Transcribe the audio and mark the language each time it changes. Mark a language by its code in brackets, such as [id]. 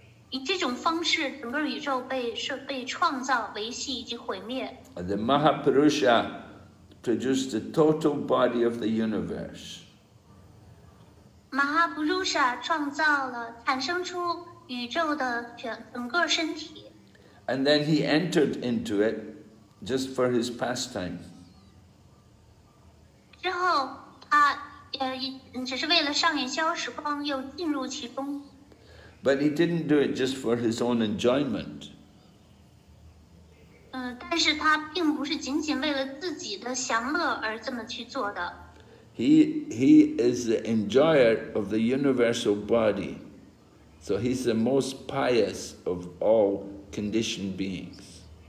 [en] The Mahapurusha produced the total body of the universe. [zh] Mahapurusha 创造了产生出宇宙的整个身体. [en] And then he entered into it just for his pastime. [zh] 之后他只是为了上演消时光又进入其中. [en] But he didn't do it just for his own enjoyment. [zh] 但是他并不是仅仅为了自己的享乐而这么去做的. [en] He is the enjoyer of the universal body, so he's the most pious of all conditioned beings.